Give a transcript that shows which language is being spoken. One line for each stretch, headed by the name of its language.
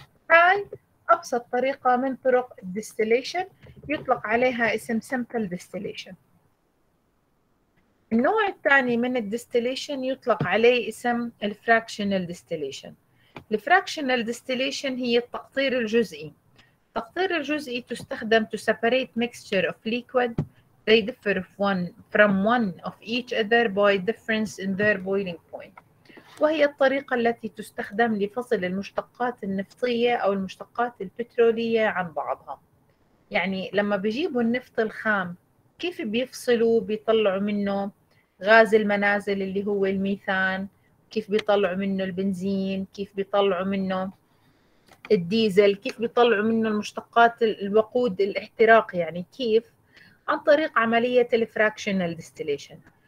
Arabic: هاي أبسط طريقة من طرق الديستيليشن، يطلق عليها اسم simple distillation. النوع الثاني من الديستيليشن يطلق عليه اسم fractional distillation. fractional distillation هي التقطير الجزئي. التقطير الجزئي تستخدم
English: to separate mixture of liquid they differ from one of each other by difference in their boiling point.
Arabic: وهي الطريقة التي تستخدم لفصل المشتقات النفطية أو المشتقات البترولية عن بعضها. يعني لما بيجيبوا النفط الخام كيف بيفصلوا؟ بيطلعوا منه غاز المنازل اللي هو الميثان، كيف بيطلعوا منه البنزين، كيف بيطلعوا منه الديزل، كيف بيطلعوا منه المشتقات الوقود الاحتراق، يعني كيف؟ عن طريق عملية الفراكشنال ديستيليشن.